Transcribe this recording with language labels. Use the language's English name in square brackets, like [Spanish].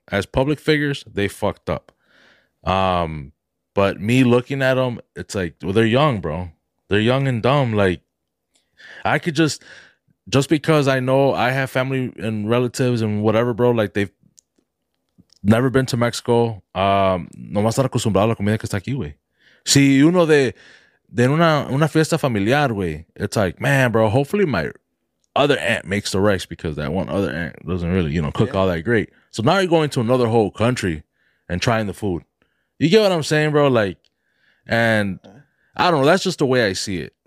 [English] As public figures, they fucked up. But me looking at them, it's like, well, they're young, bro. They're young and dumb. Like, I could just because I know I have family and relatives and whatever, bro, like they've never been to Mexico. [Spanish] No más estar acostumbrado a la comida que está aquí, güey. Si uno de una fiesta familiar, güey, [English] it's like, man, bro, hopefully my other aunt makes the rice because that one other aunt doesn't really, you know, cook all that great. So now you're going to another whole country and trying the food. You get what I'm saying, bro? Like, and I don't know. That's just the way I see it.